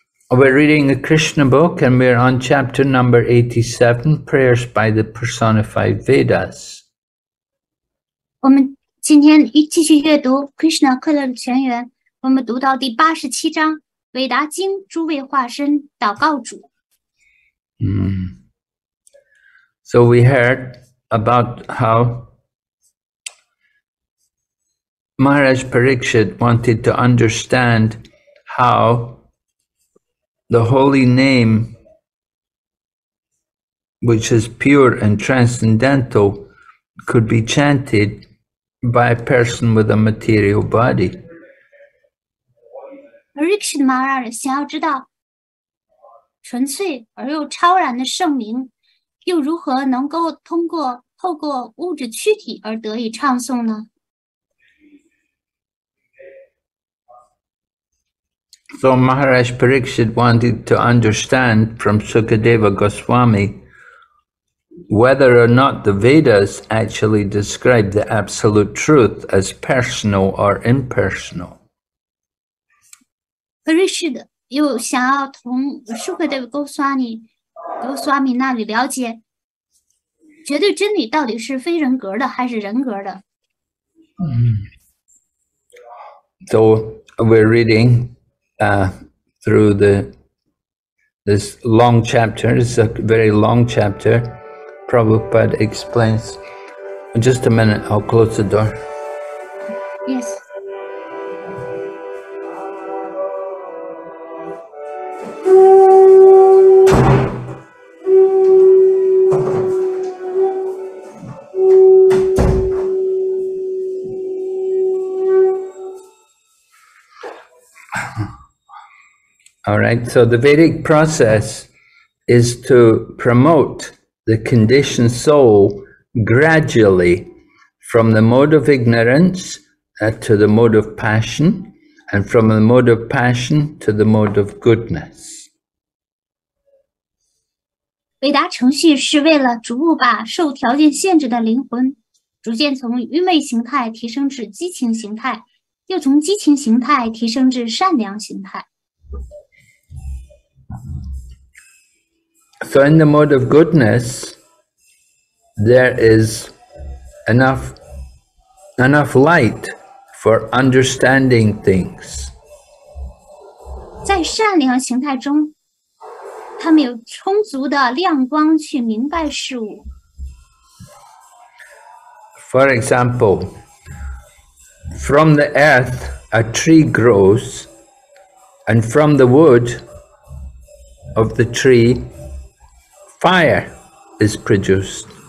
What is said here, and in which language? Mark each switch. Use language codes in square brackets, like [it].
[en] We're reading a Krishna book and we're on chapter number 87, Prayers by the Personified Vedas. [zh] 我们今天继续阅读 Krishna 课论全员，我们读到第87章 韦达经 诸位化身 祷告主。 [en] So we heard about how Maharaj Parikshit wanted to understand how the holy name, which is pure and transcendental, could be chanted by a person with a material body. [zh] Parikshit Maharaj 想要知道 纯粹而又超然的圣名，又如何能够透过物质躯体而得以唱诵呢？ [en] So Maharaj Parikshit wanted to understand from Sukadeva Goswami whether or not the Vedas actually describe the absolute truth as personal or impersonal. [zh] Parikshit 又想要从舒克德·高斯瓦米那里了解 绝对真理到底是非人格的还是人格的 [en] So we're reading through this long chapter. It's a very long chapter. Prabhupada explains. Just a minute, I'll close the door. Yes. All right, so the Vedic process is to promote the conditioned soul gradually from the mode of ignorance to the mode of passion, and from the mode of passion to the mode of goodness. [zh] 伟达程序是为了逐步把受条件限制的灵魂逐渐从愚昧形态提升至激情形态，又从激情形态提升至善良形态。 [en] So in the mode of goodness, there is enough light for understanding things. [zh] 在善良形态中, 他们有充足的亮光去明白事物。 [en] For example, from the earth a tree grows, and from the wood of the tree fire is produced.